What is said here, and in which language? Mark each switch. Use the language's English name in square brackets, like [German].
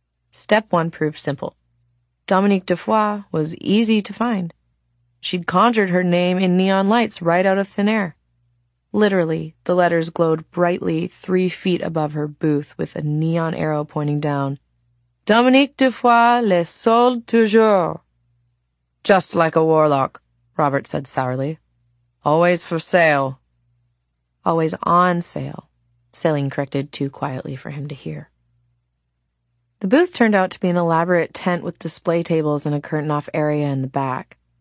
[English] Step one proved simple. Dominique de Foix was easy to find. She'd conjured her name in neon lights right out of thin air. Literally, the letters glowed brightly 3 feet above her booth with a neon arrow pointing down. [French] Dominique de Foix le solde toujours. [English] Just like a warlock, Robert said sourly. Always for sale. Always on sale, Céline corrected too quietly for him to hear. The booth turned out to be an elaborate tent with display tables and a curtain-off area in the back.